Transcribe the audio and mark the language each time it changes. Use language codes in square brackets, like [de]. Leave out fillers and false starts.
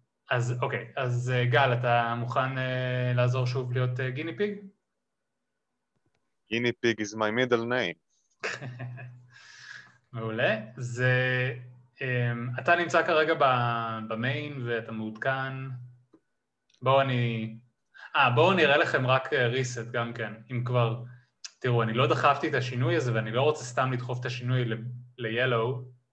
[he] אז אוקיי, אז גל, אתה מוכן לעזור שוב להיות גיני פיג? [en] גיני פיג is my middle name. [he] מעולה. זה, אתה נמצא כרגע במיין ואתה מעודכן. בואו אני... בואו נראה לכם רק ריסט גם כן, אם כבר... תראו, אני לא דחפתי את השינוי הזה ואני לא רוצה סתם לדחוף את השינוי ל-yellow.